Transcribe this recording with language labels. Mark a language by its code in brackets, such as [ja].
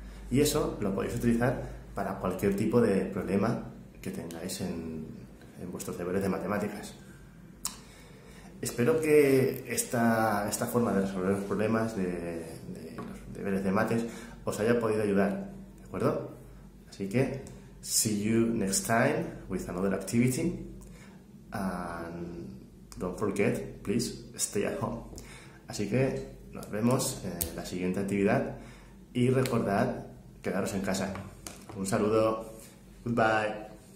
[es] Y eso lo podéis utilizar para cualquier tipo de problema que tengáis en vuestros deberes de matemáticas. Espero que esta forma de resolver los problemas de los deberes de mates os haya podido ayudar, ¿de acuerdo? Así que, [en] see you next time with another activity and don't forget, please stay at home. [es] Así que nos vemos en la siguiente actividad y recordad quedaros en casa. Un saludo. [en] Goodbye.